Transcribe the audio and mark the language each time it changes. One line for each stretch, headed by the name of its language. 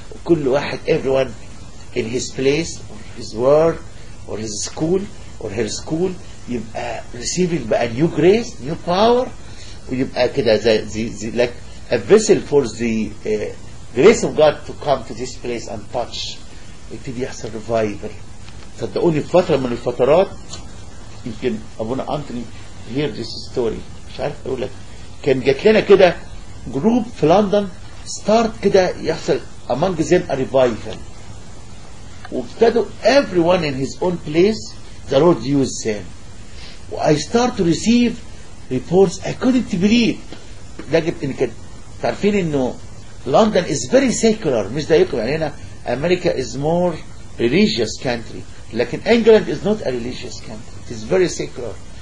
Arabic: كل واحد,
English: everyone in his place, or his work, or his school, or her school,
Arabic: يبقى
English: receiving a new grace, new power,
Arabic: ويبقى كده
English: the, like a vessel for the grace of God to come to this place and touch.
Arabic: يبتدي يحصل revival. صدقوني في فترة من الفترات, يمكن أبونا أنتوني
English: hear this story,
Arabic: مش عارف أقول لك, كان جات لنا كده group في لندن, start كده يحصل
English: among them a revival.
Arabic: وابتدوا
English: everyone in his own place, the Lord used them. I start to receive reports, I couldn't believe.
Arabic: لقيت إن كان تعرفين إنه لندن
English: is very secular,
Arabic: مش دايكم يعني هنا,
English: America is more religious country,
Arabic: لكن
English: England is not a religious country, it is very secular.